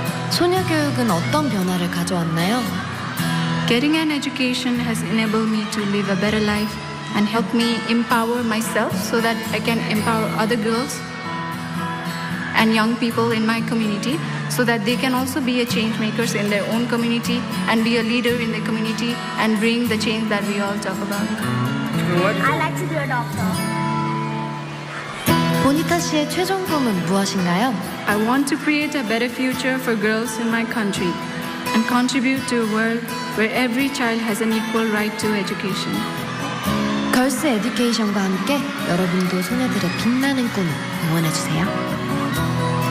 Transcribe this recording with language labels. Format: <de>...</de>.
<ko>소녀 교육은 어떤 변화를 가져왔나요?</ko> <en>Getting an education has enabled me to live a better life and helped me empower myself so that I can empower other girls and young people in my community so that they can also be a change makers in their own community and be a leader in the community and bring the change that we all talk about. I'd like to be a doctor.</en> <ko>보니타 씨의 최종 꿈은 무엇인가요?</ko> <en>I want to create a better future for girls in my country and contribute to a world where every child has an equal right to education.</en> <ko>걸스 에듀케이션과 함께 여러분도 소녀들의 빛나는 꿈을 응원해주세요.</ko>